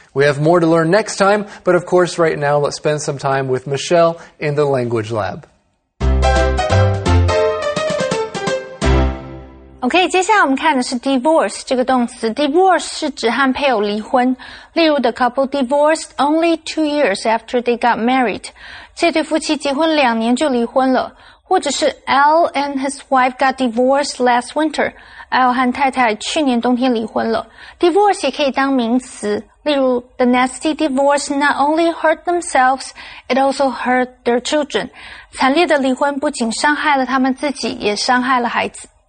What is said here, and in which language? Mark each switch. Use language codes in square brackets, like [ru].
[en] We have more to learn next time, but of course right now let's spend some time with Michelle in the language lab. [zh] Okay, 接下来我们看的是 divorce 这个动词。Divorce 是指和配偶离婚。例如 [en] the couple divorced only 2 years after they got married. [zh] 这对夫妻结婚两年就离婚了。或者是 [en] Al and his wife got divorced last winter. [zh] Al 和太太去年冬天离婚了。 [en] Divorce [zh] 也可以当名词，例如 [en] The nasty divorce not only hurt themselves, it also hurt their children. [zh] 惨烈的离婚不仅伤害了他们自己，也伤害了孩子。